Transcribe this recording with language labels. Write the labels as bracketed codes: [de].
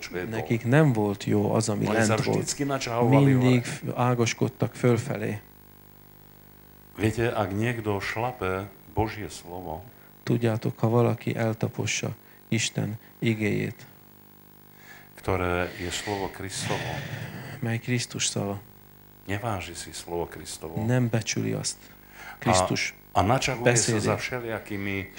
[hu] Nekik nem volt jó az, ami lent volt. Mindig ágaskodtak fölfelé. [sk] Viete, ak niekto šlape Božie slovo, [hu] tudjátok, ha valaki eltapossa Isten igéjét, [sk] ktoré je slovo Krisztovo, [hu] mely Krisztus szava, [sk] neváži si slovo Krisztovo, [hu] nem becsüli azt Krisztus [sk] a načahuje sa za všelijakými